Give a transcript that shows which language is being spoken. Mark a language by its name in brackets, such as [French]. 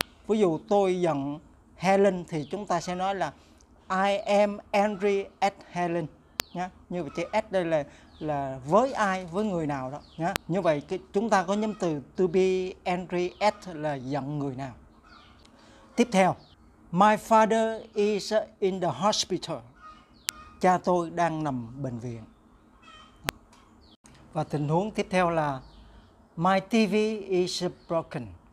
[Vietnamese] Ví dụ tôi giận Helen thì chúng ta sẽ nói là [English] I am angry at Helen. [Vietnamese] Nhá. Như vậy chữ at đây là với ai, với người nào đó. Nhá. Như vậy chúng ta có nhóm từ [English] to be angry at [Vietnamese] là giận người nào. Tiếp theo, [English] my father is in the hospital. [Vietnamese] Cha tôi đang nằm bệnh viện. Và tình huống tiếp theo là [English] my TV is broken.